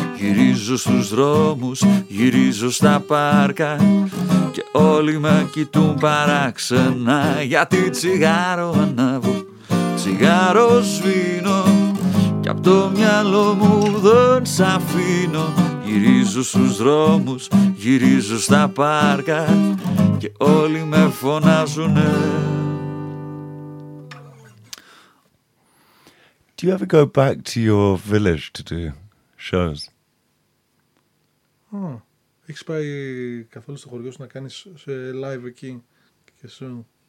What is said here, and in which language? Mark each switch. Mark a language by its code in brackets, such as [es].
[el] Γυρίζω στους δρόμους, γυρίζω στα πάρκα και όλοι με κοιτούν παράξενα γιατί τσιγάρο ανάβω, τσιγάρο σβήνω κι απ' το μυαλό μου δεν σ' αφήνω. Γυρίζω στους δρόμους, γυρίζω στα πάρκα και όλοι με φωνάζουνε. [en] Do you ever go back to your village to do shows? [el] Έχεις πάει καθόλου στο χωριό σου να κάνεις σε live εκεί και σου?